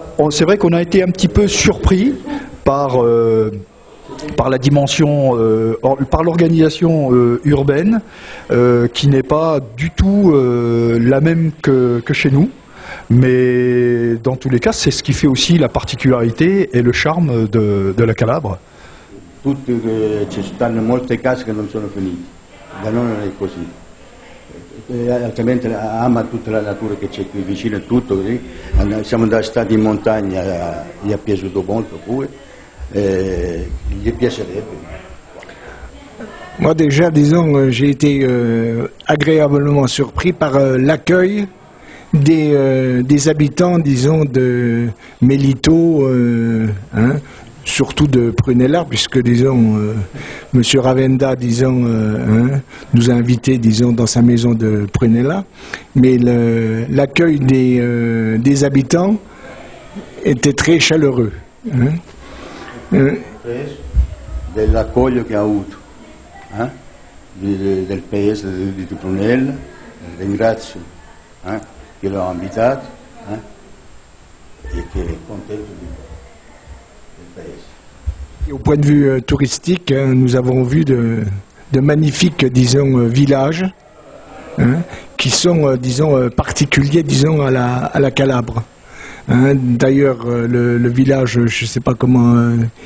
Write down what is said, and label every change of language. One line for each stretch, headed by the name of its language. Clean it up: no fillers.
French: C'est vrai qu'on a été un petit peu surpris par la dimension, par l'organisation urbaine, qui n'est pas du tout la même que chez nous. Mais dans tous les cas, c'est ce qui fait aussi la particularité et le charme de la Calabre.
Italian: tutti, ci stanno molte case che non sono finite, da noi non è così. Altrimenti ama tutta la natura che c'è qui vicino, tutto così. Siamo stati in montagna, gli è piaciuto molto pure, gli piacerebbe.
French: Moi déjà, disons, j'ai été agréablement surpris par l'accueil des habitants, disons, de Melito, hein, surtout de Prunella, puisque, disons, M. Ravenda, disons, hein, nous a invités, disons, dans sa maison de Prunella. Mais l'accueil des habitants était très chaleureux. Hein. De l'accueil qu'il y a eu.
Italian: Del paese di Prunella, ringrazio che l'ho invitato e che è contento del paese.
French: Et au point de vue touristique, nous avons vu de magnifiques, disons, villages qui sont, disons, particuliers, disons, à la Calabre. D'ailleurs, le village, je ne sais pas comment...